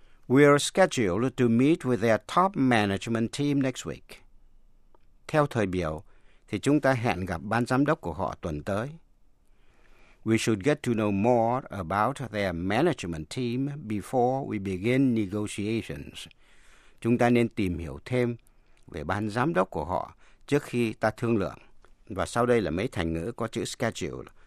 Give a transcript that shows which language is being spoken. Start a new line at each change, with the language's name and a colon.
English: We are scheduled to meet with their top management team next week.
Vietnamese: Theo thời biểu, thì chúng ta hẹn gặp ban giám đốc của họ tuần tới.
English: We should get to know more about their management team before we begin negotiations.
Vietnamese: Chúng ta nên tìm hiểu thêm về ban giám đốc của họ trước khi ta thương lượng. Và sau đây là mấy thành ngữ có chữ schedule.